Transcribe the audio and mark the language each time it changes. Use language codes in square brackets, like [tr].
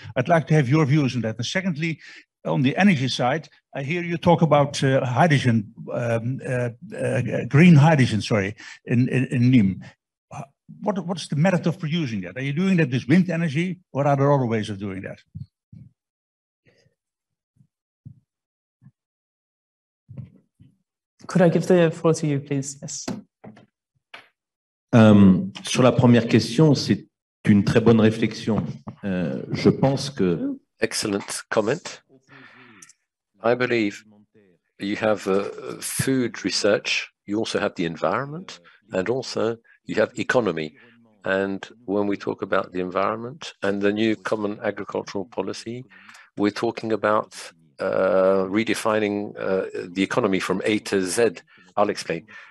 [en] I'd like to have your views on that. And secondly, on the energy side, I hear you talk about hydrogen, green hydrogen, sorry, in NIM. What's the method of producing that? Are you doing that with wind energy, or are there other ways of doing that? Could I give the floor to you, please? Yes. [fr] Sur la première question, c'est une très bonne réflexion. Je pense que... [en] Excellent comment. I believe you have food research, you also have the environment, and also you have economy. And when we talk about the environment and the new common agricultural policy, we're talking about redefining the economy from A to Z. I'll explain.